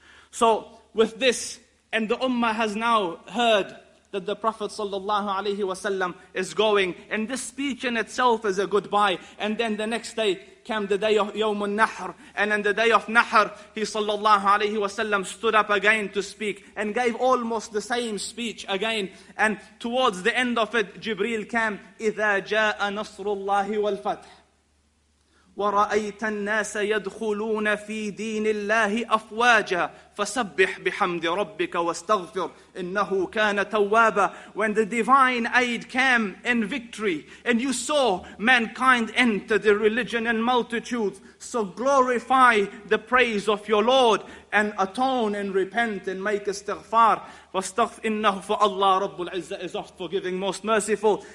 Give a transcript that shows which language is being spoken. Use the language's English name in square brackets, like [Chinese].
[English] So with this, and the Ummah has now heard that the Prophet sallallahu alaihi wasallam is going, and this speech in itself is a goodbye. And then the next day came the day of Yawm al-Nahr, and on the day of Nahr, he sallallahu alaihi wasallam stood up again to speak and gave almost the same speech again. And towards the end of it, Jibreel came, [Arabic] إِذَا جَاءَ نَصْرُ اللَّهِ وَالْفَتْحِ وَرَأَيْتَ النَّاسَ يَدْخُلُونَ فِي دِينِ اللَّهِ أَفْوَاجًا فَسَبِّحْ بِحَمْدِ رَبِّكَ وَاسْتَغْفِرْ إِنَّهُ كَانَ تَوَّابًا. [English] When the divine aid came in victory and you saw mankind enter the religion in multitudes, so glorify the praise of your Lord and atone and repent and make istighfar. [Arabic] فَاسْتَغْفِرْ إِنَّهُ فَاللَّهُ رَبُّ الْعِزَّةِ [English] is oft forgiving, most merciful.